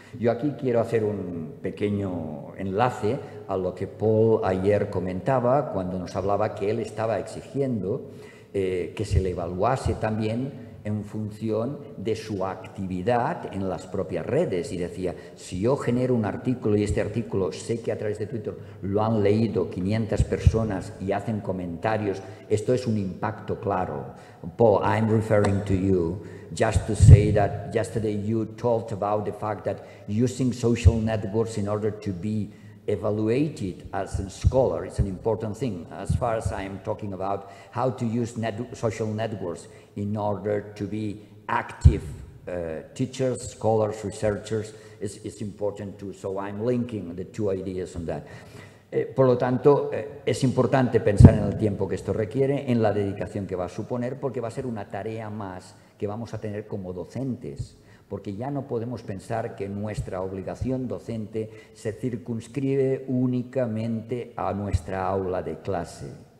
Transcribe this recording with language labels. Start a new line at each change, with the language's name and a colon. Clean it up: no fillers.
Spanish: Yo aquí quiero hacer un pequeño enlace a lo que Paul ayer comentaba cuando nos hablaba que él estaba exigiendo que se le evaluase también en función de su actividad en las propias redes. Y decía, si yo genero un artículo y este artículo sé que a través de Twitter lo han leído 500 personas y hacen comentarios, esto es un impacto claro.
English: Paul, I'm referring to you just to say that yesterday you talked about the fact that using social networks in order to be evaluated as a scholar is an important thing. As far as I am talking about how to use social networks in order to be active teachers, scholars, researchers, is important too. So I'm linking the two ideas on that.
Spanish: Por lo tanto, es importante pensar en el tiempo que esto requiere, en la dedicación que va a suponer, porque va a ser una tarea más que vamos a tener como docentes. Porque ya no podemos pensar que nuestra obligación docente se circunscribe únicamente a nuestra aula de clase.